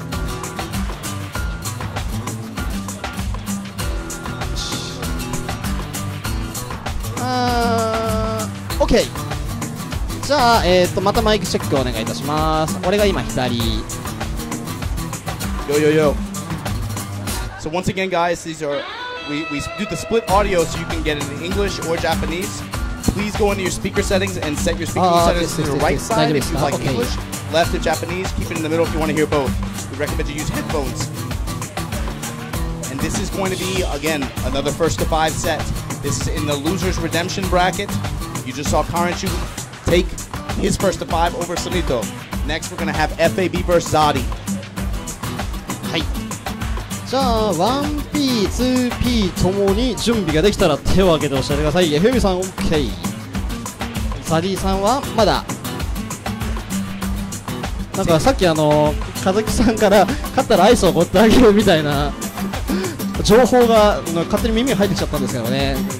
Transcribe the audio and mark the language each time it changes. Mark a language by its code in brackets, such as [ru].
[ja] よし、あー、 OK。じゃあ、またマイクチェックをお願いいたします。俺が今左。 [en] Yo yo yo。 So once again guys, these are we do the split audio so you can get it in English or Japanese. Please go into your speaker settings and set your speaker settings to the right side if you like English. left in Japanese. Keep it in the middle if you want to hear both. We recommend you use headphones. And this is going to be, again, another first to five set. This is in the loser's redemption bracket. You just saw Karenshu take his first to five over Sonito. Next, we're going to have FAB versus Zadi. Hi. [ja] じゃあ 1P、2P ともに準備ができたら手を挙げておっしゃってください。 FAB さん OK、 サディさんはまだ。なんかさっきカズキさんから勝ったらアイスをおごってあげるみたいな情報が勝手に耳に入ってきちゃったんですけどね。